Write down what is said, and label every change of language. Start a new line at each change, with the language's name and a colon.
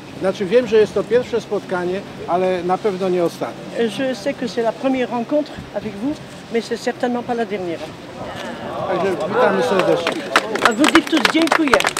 Polish: Znaczy wiem, że jest to pierwsze spotkanie, ale na pewno nie ostatnie.
French: Je sais que c'est la première rencontre avec vous, mais c'est certainement pas la dernière.
Polish: Także witamy serdecznie.
French: A vous dites tous
Polish: dziękuję.